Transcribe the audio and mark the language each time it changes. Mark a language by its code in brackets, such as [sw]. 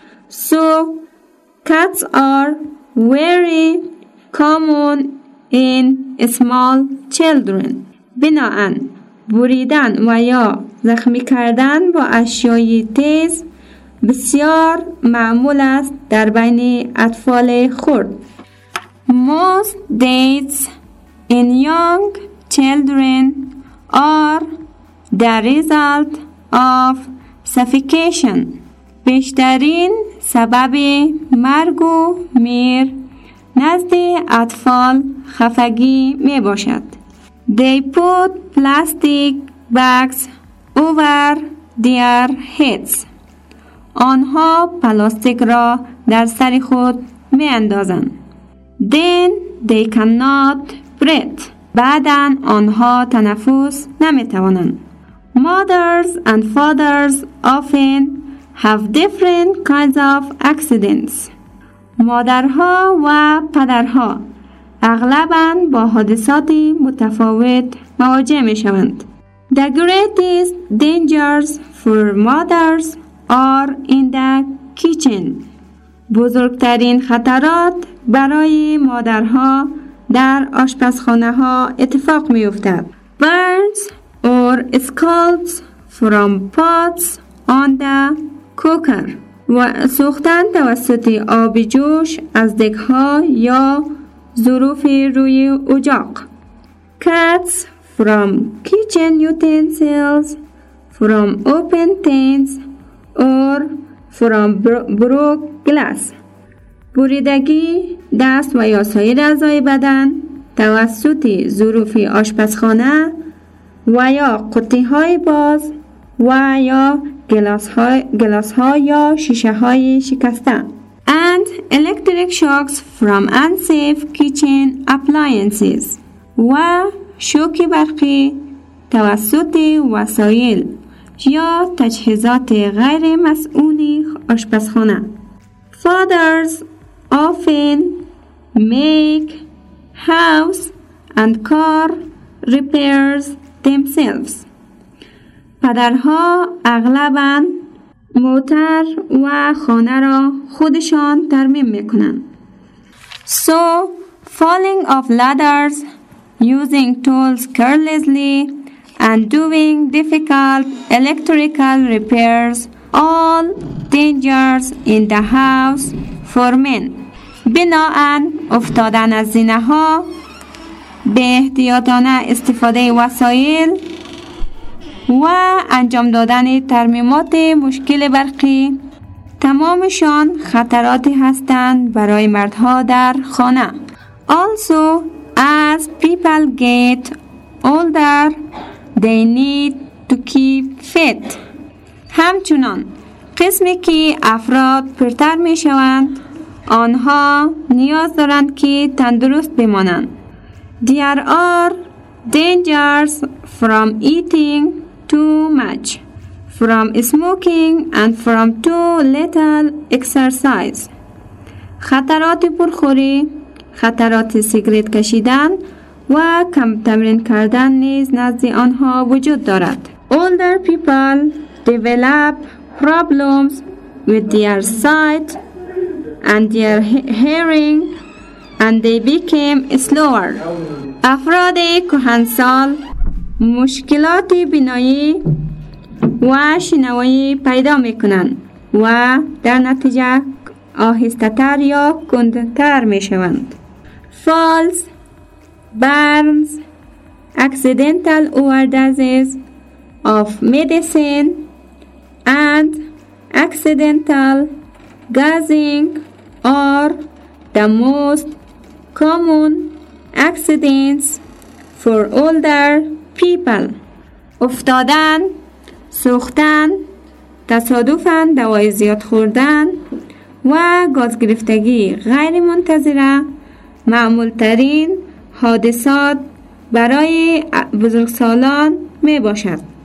[en] So cuts are very common in small children. [fa] بناهن بریدن و یا زخمی کردن با اشیای تیز بسیار معمول است در بین اطفال خرد. [en] Most deaths in young children are the result of suffocation. [fa] بیشترین سبب مرگ و میر نزد اطفال خفگی می باشد. [en] They put plastic bags over their heads. [fa] آنها پلاستیک را در سر خود می اندازند. [en] Then they cannot breathe. [fa] بعدن آنها تنفس نمی توانند. [en] Mothers and fathers often have different kinds of accidents. [fa] مادرها و پدرها اغلباً با حادثات متفاوت مواجه می شوند. [en] The greatest dangers for mothers are in the kitchen. [fa] بزرگترین خطرات برای مادرها در آشپزخانه ها اتفاق می افتد. [en] Burns or scalds from pots on the cooker. [fa] و سوختن توسط آب جوش از دکها یا ظروف روی اجاق. [en] Cuts from kitchen utensils, from open tins or from broken glass. [fa] بریدگی دست و یا سایر اعضای بدن توسط ظروف آشپزخانه و یا قطعه های باز و یا گلاس‌ها یا شیشه‌های شکسته. [en] And electric shocks from unsafe kitchen appliances. [fa] و شوک برقی توسط وسایل یا تجهیزات غیر مسئولی آشپزخانه. [en] Fathers often make house and car repairs themselves. [fa] پدرها اغلباً موتر و خانه را خودشان ترمیم میکنند. [en] So falling off ladders, using tools carelessly and doing difficult electrical repairs, all dangers in the house for men. [fa] بناً افتادن از زینه ها، به احتیاطانه استفاده وسایل و انجام دادن ترمیمات مشکل برقی، تمامشان خطراتی هستند برای مردها در خانه. [en] Also, as people get older, they need to keep fit. [fa] همچنان قسمی که افراد پیرتر می شوند، آنها نیاز دارند که تندرست بمانند. [en] There are dangers from eating too much, from smoking and from too little exercise. [fa] خطرات پرخوری، خطرات سیگریت کشیدن و کم تمرین کردن نیز نزد آنها وجود دارد. [en] Older people develop problems with their sight and their hearing and they become slower. [fa] افراد کهنسال مشکلات بینایی و شنوایی پیدا میکنند و در نتیجه آهسته تر یا کند تر میشوند. [en] Falls, burns, accidental overdoses of medicine and accidental gassing are the most common accidents for older people. [fa] افتادن، سوختن، تصادفاً دوای زیاد خوردن و گاز گرفتگی غیر منتظره معمولترین حادثات برای بزرگسالان می باشد.